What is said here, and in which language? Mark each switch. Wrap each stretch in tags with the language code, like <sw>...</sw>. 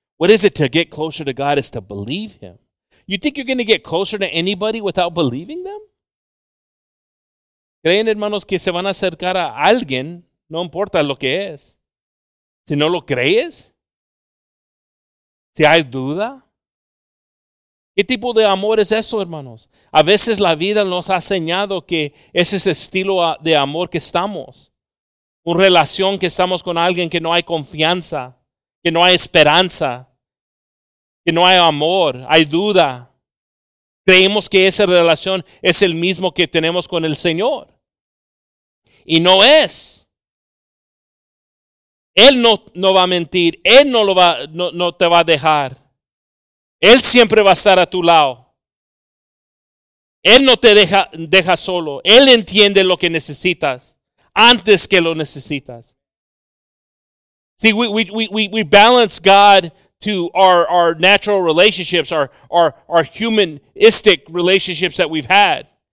<en>What is it to get closer to God? Is to believe him. You think you're going to get closer to anybody without believing them?</en> <es>¿Creen, hermanos, que se van a acercar a alguien? No importa lo que es. Si no lo crees. Si hay duda. ¿Qué tipo de amor es eso, hermanos? A veces la vida nos ha enseñado que es ese estilo de amor que estamos. Una relación que estamos con alguien que no hay confianza. Que no hay esperanza, que no hay amor, hay duda. Creemos que esa relación es el mismo que tenemos con el Señor. Y no es. Él no va a mentir, Él no te va a dejar. Él siempre va a estar a tu lado. Él no te deja solo. Él entiende lo que necesitas antes que lo necesitas.</es> <en>See, we balance God to our natural relationships, our humanistic relationships that we've had.</en>